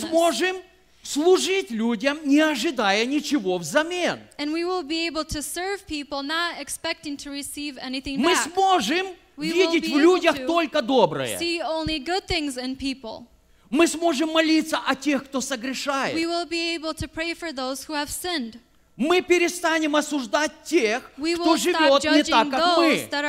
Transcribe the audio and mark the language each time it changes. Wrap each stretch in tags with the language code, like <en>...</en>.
<ru>Мы сможем служить людям, не ожидая ничего взамен.</ru> <en>And we will be able to serve people, not expecting to receive anything</en> <ru>мы</ru> <en>back.</en> <ru>Мы сможем видеть в людях только доброе.</ru> <en>See only good things in people.</en> <ru>Мы сможем молиться о тех, кто согрешает.</ru> <en>We will be able to pray for those who have sinned.</en> <ru>Мы перестанем осуждать тех, кто живет не так, как мы.</ru>